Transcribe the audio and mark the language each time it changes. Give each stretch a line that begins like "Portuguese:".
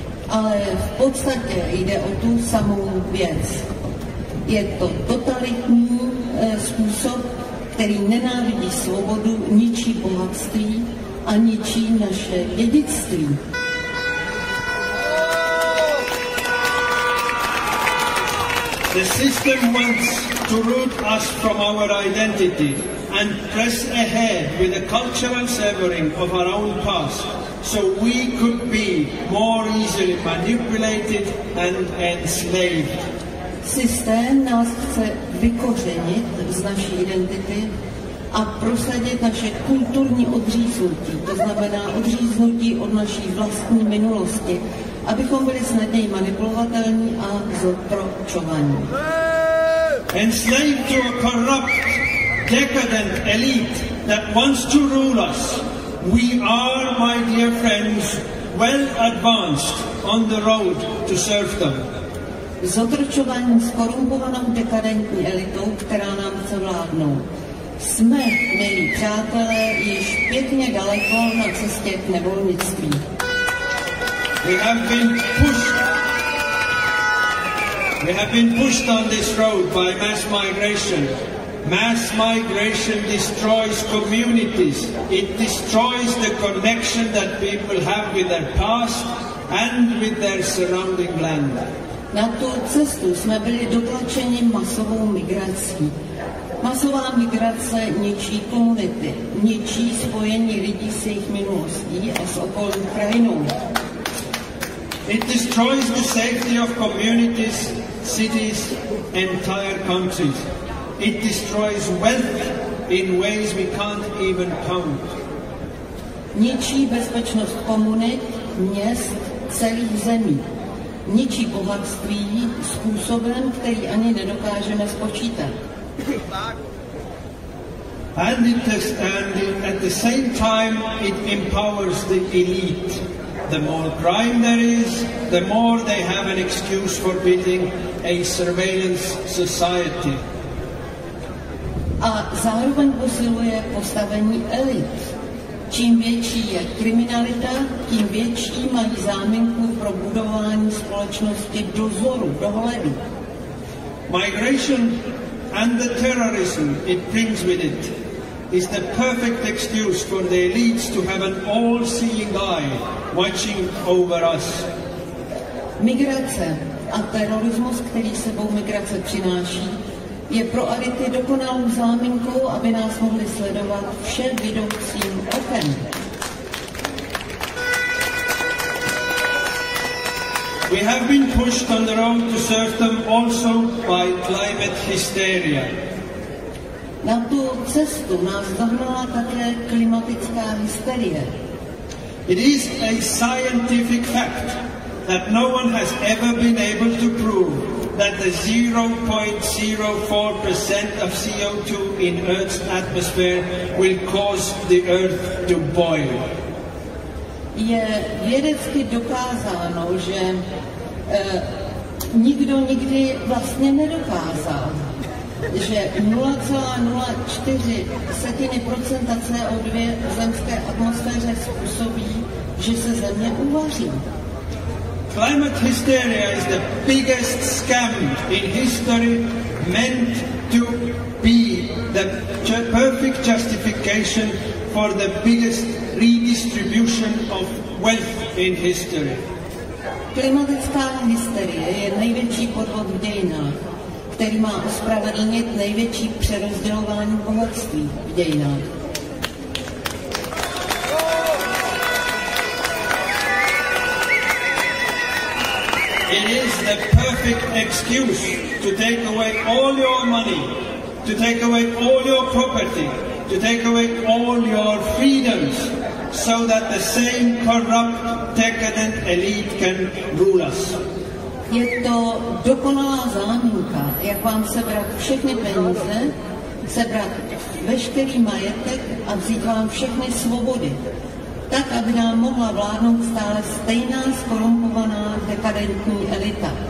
Czech: Ale v podstatě jde o tu samou věc. Je to totalitní způsob, který nenávidí svobodu, ničí bohatství a ničí naše dědictví.
English: The system wants to root us from our identity and press ahead with a cultural severing of our own past, so we could be more easily manipulated and enslaved.
Czech: Systém nás chce vykořenit z naší identity a prosadit naše kulturní odříznutí, to znamená odříznutí od naší vlastní minulosti, abychom byli snadněji manipulovatelní a zotročovaní.
English: Enslaved to a corrupt, decadent elite that wants to rule us. We are, my dear friends, well advanced on the road to serfdom.
Czech: Zotročovaní s korumpovanou dekadentní elitou, která nám chce vládnout. Jsme, milí přátelé, již pěkně daleko na cestě k nevolnictví.
English: We have been pushed on this road by mass migration. Mass migration destroys communities. It destroys the connection that people have with their past and with their surrounding land.
Czech: Na tu cestu jsme byli dotlačeni masovou migrací. Masová migrace ničí komunity, ničí spojení lidí s jejich minulostí a s okolní krajinou.
English: It destroys the safety of communities, cities, entire countries. It destroys wealth in ways we can't even count.
Czech: Ničí bezpečnost komunit, měst, celých zemí. Ničí bohatství způsobem, který ani nedokážeme spočítat.
English: And at the same time it empowers the elite. The more crime there is, the more they have an excuse for building a surveillance society.
Czech: A zároveň posiluje postavení elit. Čím větší je kriminalita, tím větší mají záminku pro budování společnosti dozoru, dohledu.
English: Migration and the terrorism it brings with it is the perfect excuse for the elites to have an all-seeing eye watching over us.
Czech: Migrace a terorismus, který sebou migrace přináší, je pro elity dokonalou záminkou, aby nás mohli sledovat všem vidoucím okem.
English: We have been pushed on the road to serfdom also by climate hysteria.
Czech: Na tu cestu nás zahnala také klimatická hysterie.
English: It is a scientific fact that no one has ever been able to prove that the 0.04% of CO2 in Earth's atmosphere will cause the Earth to boil.
Czech: Je vědecky dokázáno, že nikdo nikdy vlastně nedokázal, že 0,04% CO2 v zemské atmosféře způsobí, že se země uvaří.
English: Climate hysteria is the biggest scam in history, meant to be the perfect justification for the biggest redistribution of wealth in history.
Czech: Klimatická hysterie je největší podvod v dějinách, který má ospravedlnit největší přerozdělování bohatství v dějinách.
English: It is the perfect excuse to take away all your money, to take away all your property, to take away all your freedoms, so that the same corrupt, decadent elite can rule us.
Czech: Je to dokonalá záminka, jak vám sebrat všechny peníze, sebrat veškerý majetek a vzít vám všechny svobody, tak, aby nám mohla vládnout stále stejná zkorumpovaná dekadentní elita.